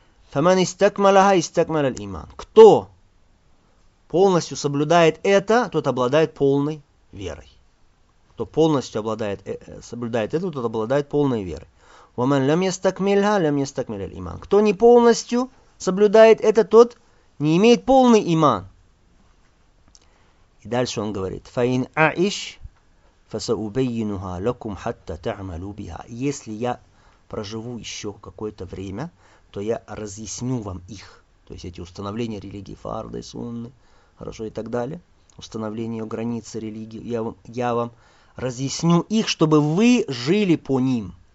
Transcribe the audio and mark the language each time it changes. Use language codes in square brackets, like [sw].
[ar] «Фаман истакмалаха истакмалал иман». [ru] Кто полностью соблюдает это, тот обладает полной верой. Кто полностью обладает, соблюдает это, тот обладает полной верой. [ar] وَمَنْ لَمْ يَسْتَكْمِلْهَا لَمْ يَسْتَكْمِلْهَا الْإِمَانِ. [ru] Кто не полностью соблюдает это, тот не имеет полный иман. И дальше он говорит, [ar] فَإِنْ أَعِشْ فَسَأُبَيِّنُهَا لَكُمْ حَتَّى تَعْمَلُوا بِهَا. [ru] Если я проживу еще какое-то время, то я разъясню вам их. То есть эти установления религии, фарды, сунны, хорошо и так далее. Установление границы религии. Я вам разъясню их, чтобы вы жили по ним.